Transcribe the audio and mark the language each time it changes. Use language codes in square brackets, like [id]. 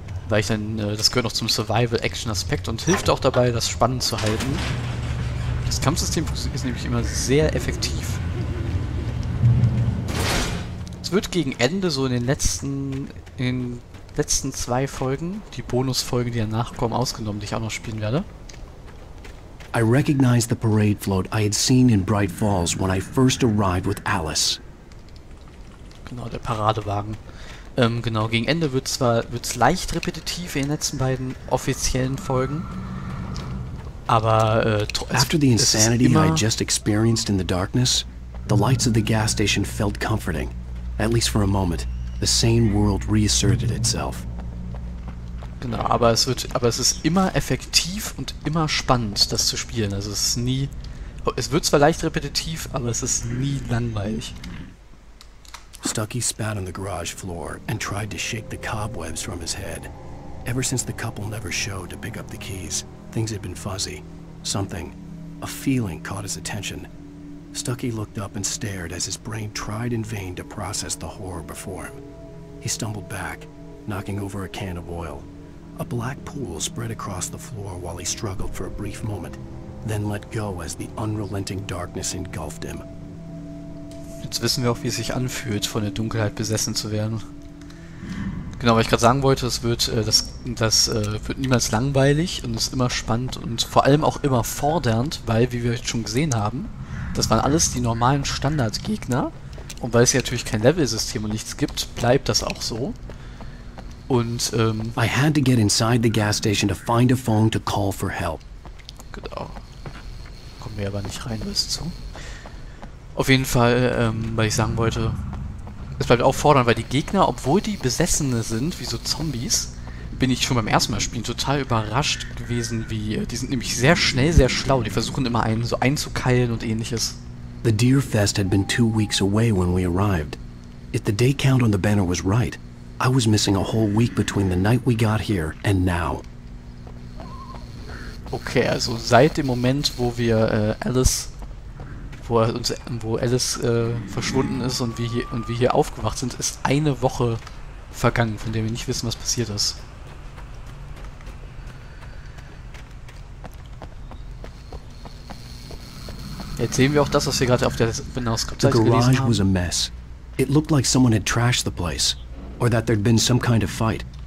[de] Weil ich dann, das gehört auch zum Survival-Action-Aspekt und hilft auch dabei, das spannend zu halten. Das Kampfsystem ist nämlich immer sehr effektiv. Es wird gegen Ende, so in den letzten zwei Folgen, die Bonusfolgen, die danach kommen, ausgenommen, die ich auch noch spielen werde. [en] I recognized the parade float I had seen in Bright Falls when I first arrived with Alice. [de] Genau, der Paradewagen. Genau, gegen Ende wird's leicht repetitiv in den letzten beiden offiziellen Folgen. Aber [en] after the insanity I just experienced in the darkness, the lights of the gas station felt comforting. At least for a moment, the sane world reasserted itself. [de] Genau, aber es ist immer effektiv und immer spannend, das zu spielen. Also es wird zwar leicht repetitiv, aber es ist nie langweilig. [en] Stucky spat on the garage floor and tried to shake the cobwebs from his head. Ever since the couple never showed to pick up the keys, things had been fuzzy. Something, a feeling, caught his attention. Stucky looked up and stared as his brain tried in vain to process the horror before him. He stumbled back, knocking over a can of oil. A black pool spread across the floor while he struggled for a brief moment, then let go as the unrelenting darkness engulfed him. [de] Jetzt wissen wir auch, wie es sich anfühlt, von der Dunkelheit besessen zu werden. Genau, was ich gerade sagen wollte, das wird niemals langweilig und ist immer spannend und vor allem auch immer fordernd, weil, wie wir schon gesehen haben, das waren alles die normalen Standardgegner und weil es hier natürlich kein Levelsystem und nichts gibt, bleibt das auch so. Und [en] I had to get inside the gas station to find a phone to call for help. [de] Genau. Kommen wir aber nicht rein, was zu. Auf jeden Fall, weil ich sagen wollte, es bleibt auch fordern, weil die Gegner, obwohl die Besessene sind, wie so Zombies, bin ich schon beim ersten Mal spielen total überrascht gewesen, wie die sind nämlich sehr schnell, sehr schlau. Die versuchen immer einen so einzukeilen und ähnliches. [en] The Deer Fest had been 2 weeks away when we arrived. If the day count on the banner was right, I was missing a whole week between the night we got here and now. [de] Okay, also seit dem Moment, wo wir wo Alice verschwunden ist und wir hier aufgewacht sind, ist eine Woche vergangen, von der wir nicht wissen, was passiert ist. Jetzt sehen wir auch das, was wir gerade auf der Benauskopfzeit gelesen haben. [en] The garage was a mess. It looked like someone had trashed the place, or that there'd been some kind of fight.